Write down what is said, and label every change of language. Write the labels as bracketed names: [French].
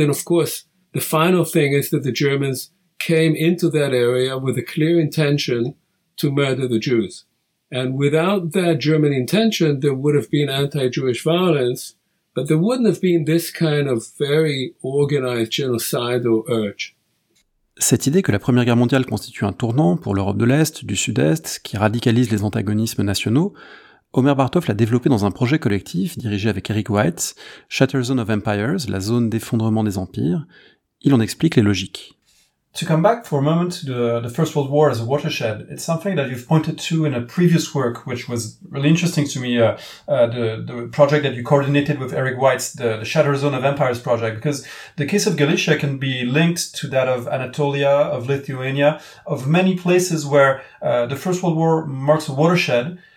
[English] And of course, the final thing is that the Germans came into that area with a clear intention to murder the Jews. And without that German intention, there would have been anti-Jewish violence, but there wouldn't have been this kind of very organized genocidal urge. [French] Cette idée que la Première Guerre mondiale constitue un tournant pour l'Europe de l'Est, du Sud-Est, qui radicalise les antagonismes nationaux, Omer Bartov l'a développée dans un projet collectif dirigé avec Eric White, Shatter Zone of Empires, la zone d'effondrement des empires. Il en explique les logiques. [English] To come back for a moment to the First World War as a watershed, it's something that you've pointed to in a previous work, which was really interesting to me, the project that you coordinated with Eric Weitz, the Shatter Zone of Empires project, because the case of Galicia can be linked to that of Anatolia, of Lithuania, of many places where the First World War marks a watershed,